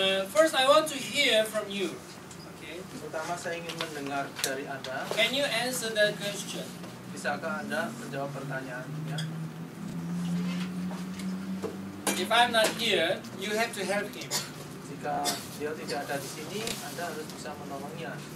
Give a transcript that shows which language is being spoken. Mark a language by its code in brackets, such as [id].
[en] First, I want to hear from you. Okay. [id] Pertama, saya ingin mendengar dari Anda. [en] Can you answer that question? [id] Bisakah Anda menjawab pertanyaannya? [en] If I'm not here, you have to help him. [id] Jika dia tidak ada di sini, Anda harus bisa menolongnya.